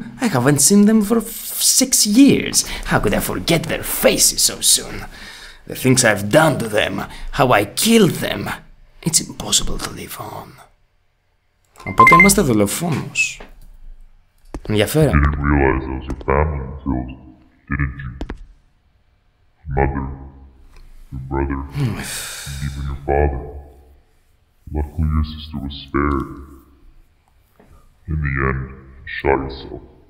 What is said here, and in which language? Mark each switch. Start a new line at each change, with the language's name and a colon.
English: I haven't seen them for 6 years. How could I forget their faces so soon? The things I've done to them. How I killed them. It's impossible to live on.
Greek: Οπότε είμαστε δολοφόνος. Ενδιαφέρον.
English: Didn't realize there was a family killed, didn't you? Mother, your brother, and even your father. Luckily your sister was spared. In the end, you shot yourself.